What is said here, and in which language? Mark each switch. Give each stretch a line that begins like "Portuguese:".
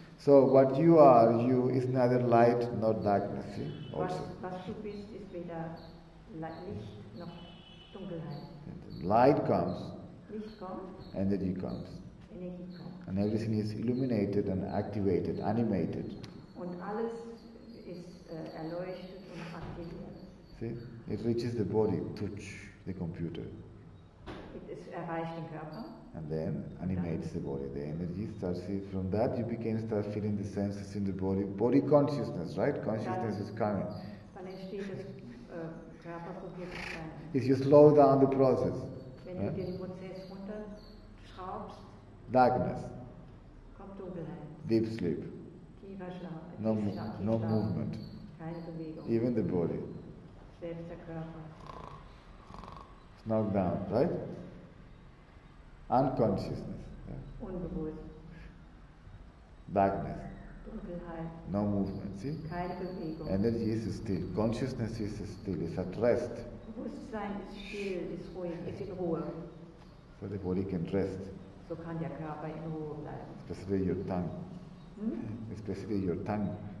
English: So what you are, you, is neither light nor darkness. See? Also.
German: Was du bist, ist weder Licht noch Dunkelheit.
English: And light comes.
German: Licht kommt.
English: Energy comes.
German: Energie kommt.
English: And everything is illuminated and activated, animated.
German: Und alles ist erleuchtet und aktiviert.
English: See? It reaches the body, touch the computer. It is
German: erreicht den Körper.
English: And then animates the body. The energy starts from that you begin to start feeling the senses in the body. Body consciousness, right? Consciousness
German: dann,
English: is coming.
German: Dann entsteht das Körperbewusstsein.
English: If you slow down the process.
German: Wenn du dir den Prozess runterschraubst.
English: Darkness,
German: kommt Dunkelheit.
English: Deep sleep,
German: tiefer Schlaf,
English: no movement,
German: keine Bewegung.
English: Even the body,
German: selbst der Körper,
English: knocked down, right? Unconsciousness, yeah.
German: Unbewusst.
English: Darkness,
German: Dunkelheit.
English: No movement, see?
German: Keine Bewegung.
English: Energy is still, consciousness is still, is at rest.
German: Bewusstsein ist still, ist ruhig, ist in Ruhe.
English: So the body can rest.
German: So kann der Körper in Ruhe bleiben.
English: Especially your tongue. Hm? Especially your tongue.